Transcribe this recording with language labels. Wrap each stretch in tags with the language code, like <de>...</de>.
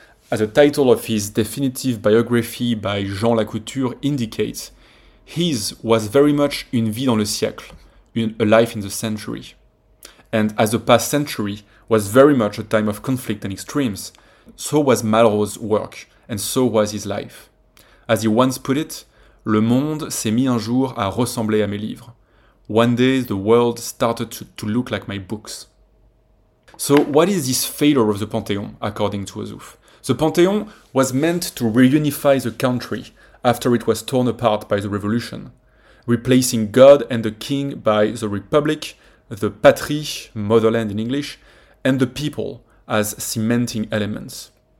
<en>As the title of his definitive biography by Jean Lacouture indicates, his was very much une vie dans le siècle, a life in the century. And as the past century was very much a time of conflict and extremes, so was Malraux's work, and so was his life.</en> <fr>As he once put it, le monde s'est mis un jour à ressembler à mes livres.</fr> <en>One day the world started to look like my books. So what is this failure of the Panthéon, according to Azouf? The Panthéon was meant to reunify the country after it was torn apart by the revolution, replacing God and the king by the Republic, the Patrie, motherland in English, and the people as cementing elements.</en>